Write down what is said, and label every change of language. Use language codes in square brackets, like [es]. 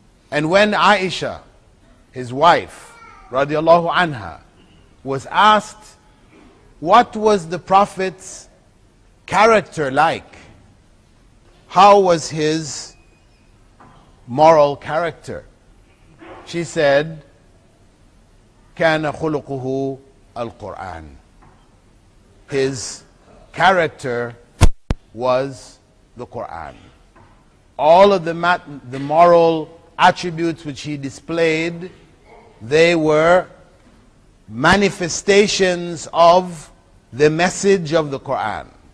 [en] And when Aisha, his wife, radiallahu anha, was asked, what was the Prophet's character like? How was his moral character? She said, [ar] كَانَ خُلُقُهُ الْقُرْآنِ. [en] His character was the Qur'an. All of the moral attributes which he displayed, they were manifestations of the message of the Quran.